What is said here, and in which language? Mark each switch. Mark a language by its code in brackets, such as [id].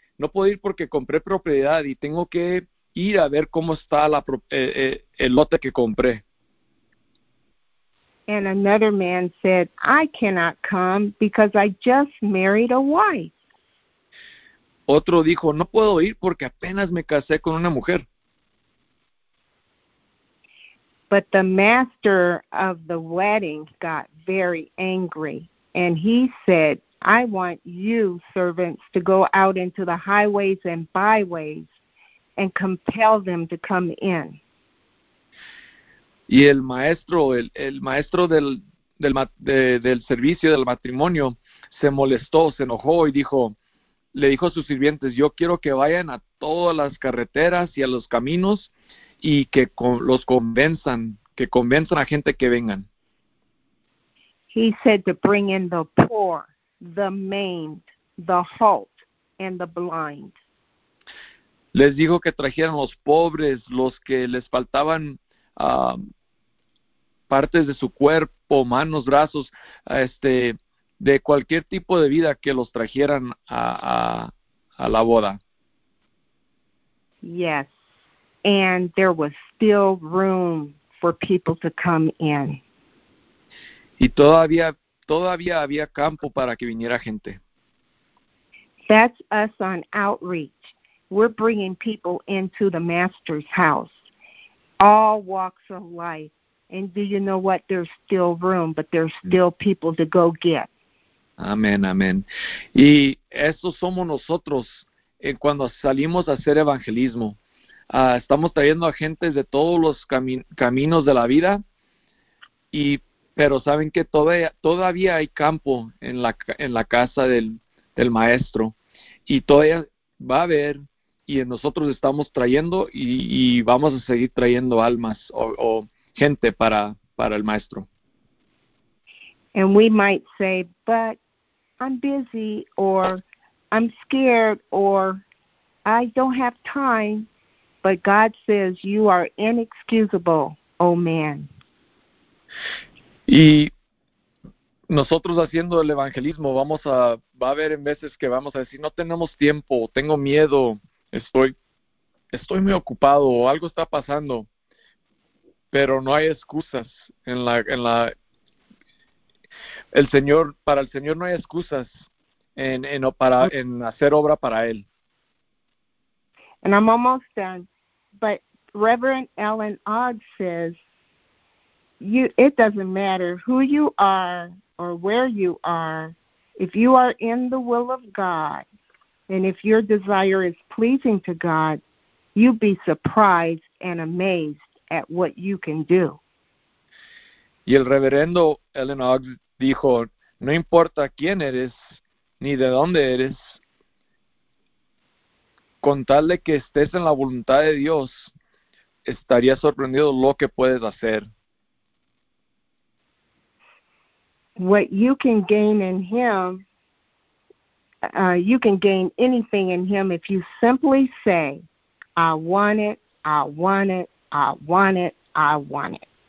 [es] No puedo ir porque compré propiedad y tengo que ir a ver cómo está el lote que compré. [en] And another man said, I cannot come because I just married a wife. [es] Otro dijo, no puedo ir porque apenas me casé con una mujer. [en] But the master of the wedding got very angry, and he said, I want you, servants, to go out into the highways and byways and compel them to come in. [es] Y el maestro del servicio del matrimonio se molestó, se enojó y le dijo a sus sirvientes, yo quiero que vayan a todas las carreteras y a los caminos y que los convenzan, que convenzan a gente que vengan. [en] He said to bring in the poor, the maimed, the halt, and the blind. [es] Les dijo que trajeran los pobres, los que les faltaban partes de su cuerpo, manos, brazos, de cualquier tipo de vida, que los trajeran a la boda. [en] Yes, and there was still room for people to come in. [es] Y todavía había campo para que viniera gente. [en] That's us on outreach. We're bringing people into the master's house, all walks of life. And do you know what? There's still room, but there's still people to go get. [es] Amén, amén. Y eso somos nosotros cuando salimos a hacer evangelismo. Estamos trayendo a gente de todos los caminos de la vida, pero saben que todavía hay campo en la casa del maestro. Y todavía va a haber, y nosotros estamos trayendo y vamos a seguir trayendo almas o gente para el maestro. [en] And we might say, but I'm busy, or I'm scared, or I don't have time. But God says, you are inexcusable, oh man. [es] Y nosotros haciendo el evangelismo, va a haber en veces que vamos a decir, no tenemos tiempo, tengo miedo, estoy muy ocupado, o algo está pasando. Pero no hay excusas para el Señor no hay excusas en hacer obra para Él. [en] And I'm almost done, but Reverend Ellen Ogg says, it doesn't matter who you are or where you are, if you are in the will of God, and if your desire is pleasing to God, you'd be surprised and amazed at what you can do. [es] Y el reverendo Ellen Ogg dijo, no importa quién eres ni de dónde eres, con tal de que estés en la voluntad de Dios, estarías sorprendido lo que puedes hacer. [en] What you can gain in him, you can gain anything in him if you simply say, I want it, I want it, I want it, I want it.